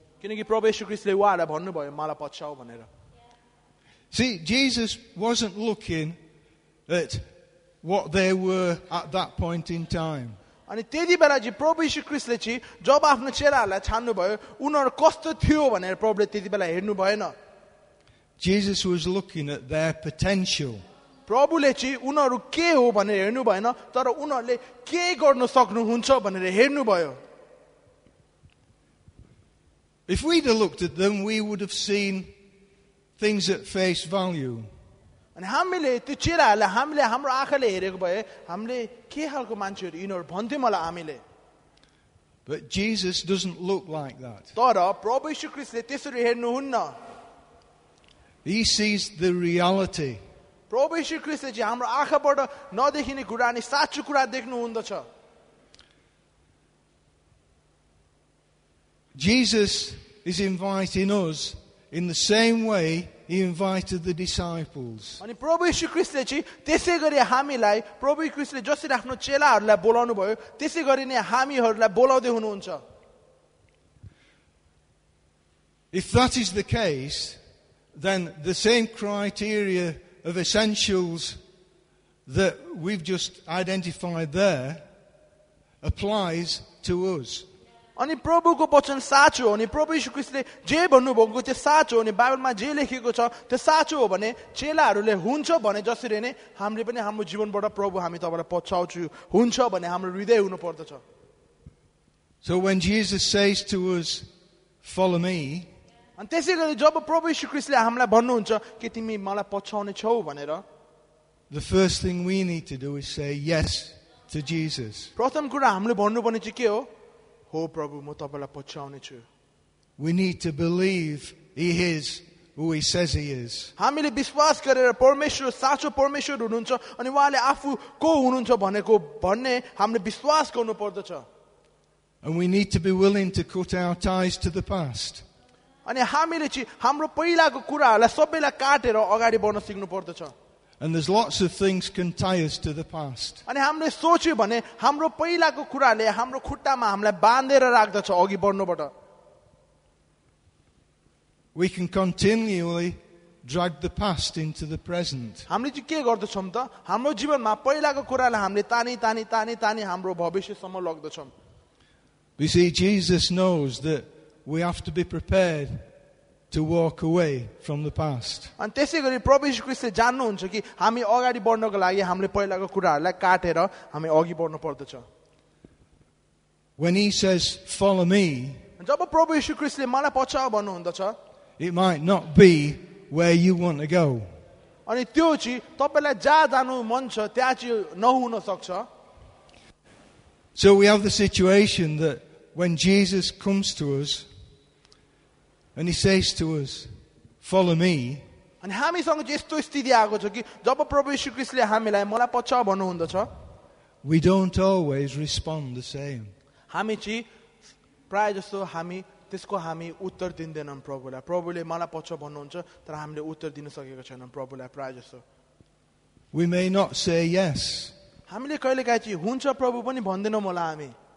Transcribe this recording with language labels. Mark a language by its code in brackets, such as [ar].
[ne] किनकि प्रभु येशू ख्रीष्टले उहाँलाई भन्नुभयो मलाई पछ्याऊ भनेर [en] See, Jesus wasn't looking at what they were at that point in time. [ne] अनि त्यति बेला चाहिँ प्रभु येशू ख्रीष्टले चाहिँ जब आफ्नो चेलाहरूलाई छान्नुभयो उनीहरू कस्तो थियो भनेर प्रभुले त्यति बेला हेर्नु भएन [en] Jesus was looking at their potential. [ne] प्रभुले चाहिँ उनीहरू के हो भनेर हेर्नु भएन तर उनीहरूले के गर्न सक्नुहुन्छ भनेर हेर्नुभयो [en] If we'd have looked at them, we would have seen things at face value. [ne] अनि हामीले त्यो चेलाहरूलाई हामीले हाम्रो आँखाले हेरेको भए हामीले के खालको मान्छेहरू यिनीहरू भन्थ्यौँ होला हामीले [en] But Jesus doesn't look like that. [ne] तर प्रभु येशू ख्रीष्टले त्यसरी हेर्नुहुन्न [en] He sees the reality. [ne] प्रभु येशू ख्रीष्टले चाहिँ हाम्रो आँखाबाट नदेखिने कुरा अनि साँचो कुरा देख्नुहुँदछ [en] Jesus is inviting us in the same way he invited the disciples. [ne] अनि प्रभु येशू ख्रीष्टले चाहिँ त्यसै गरी हामीलाई प्रभु येशू ख्रीष्टले जसरी आफ्नो चेलाहरूलाई बोलाउनु भयो त्यसै गरी नै हामीहरूलाई बोलाउँदै हुनुहुन्छ [en] If that is the case, then the same criteria of essentials that we've just identified there applies to us. [ne] अनि प्रभुको वचन साँचो हो अनि प्रभु येशू ख्रीष्टले जे भन्नुभएको त्यो साँचो हो अनि बाइबलमा जे लेखिएको छ त्यो साँचो हो भने चेलाहरूले हुन्छ भने जसरी नै हामीले पनि हाम्रो जीवनबाट प्रभु हामी तपाईँलाई पछ्याउँछु हुन्छ भने हाम्रो हृदय हुनु पर्दछ [en] So when Jesus says to us, follow me, [ne] अनि त्यसै गरी जब प्रभु येशू ख्रीष्टले हामीलाई भन्नुहुन्छ कि तिमी मलाई पछ्याउने छौ भनेर [en] The first thing we need to do is say yes to Jesus. [ne] प्रथम कुरा हामीले भन्नुपर्ने चाहिँ के हो हो प्रभु म तपाईँलाई पछ्याउने छु [en] We need to believe he is who he says he is. [ne] हामीले विश्वास गरेर परमेश्वर साँचो परमेश्वर हुनुहुन्छ अनि उहाँले आफू को हुनुहुन्छ भनेको भन्ने हामीले विश्वास गर्नु पर्दछ [en] And we need to be willing to cut our ties to the past. [ne] अनि हामीले चाहिँ हाम्रो पहिलाको कुराहरूलाई सबैलाई काटेर अगाडि बढ्न सिक्नु पर्दछ [en] And there's lots of things can tie us to the past. [ne] अनि हामीले सोच्यो भने हाम्रो पहिलाको कुराले हाम्रो खुट्टामा हामीलाई बाँधेर राख्दछ अघि बढ्नुबाट. [en] We can continually drag the past into the present. [ne] हामीले चाहिँ के गर्दछौँ त हाम्रो जीवनमा पहिलाको कुरालाई हामीले तानी तानी तानी तानी हाम्रो भविष्यसम्म लग्दछौँ. [en] You see, Jesus knows that we have to be prepared to walk away from the past. [ne] अनि त्यसै गरी प्रभु येशू ख्रीष्टले जान्नुहुन्छ कि हामी अगाडि बढ्नको लागि हामीले पहिलाको कुराहरूलाई काटेर हामी अघि बढ्नु पर्दछ. [en] When he says follow me, [ne] जब प्रभु येशू ख्रीष्टले मलाई पछ्याऊ भन्नुहुन्छ, [en] it might not be where you want to go. [ne] अनि त्यो चाहिँ तपाईलाई जहाँ जानु मन छ त्यहाँ चाहिँ नहुन सक्छ. [en] So we have the situation that when Jesus comes to us And he says to us, follow me. [ne] अनि हामीसँग यस्तो स्थिति आएको छ कि जब प्रभु येशू ख्रीष्टले हामीलाई मलाई पछ्याऊ भन्नुहुन्छ [en] We don't always respond the same. [ne] हामी चाहिँ प्राय जस्तो हामी त्यसको हामी उत्तर दिँदैनौँ प्रभुलाई प्रभुले मलाई पछ्याऊ भन्नुहुन्छ तर हामीले उत्तर दिन सकेको छैनौँ प्रभुलाई प्राय जस्तो [en] We may not say yes. [ne] हामीले कहिलेकाहीँ चाहिँ हुन्छ प्रभु पनि भन्दैनौँ होला हामी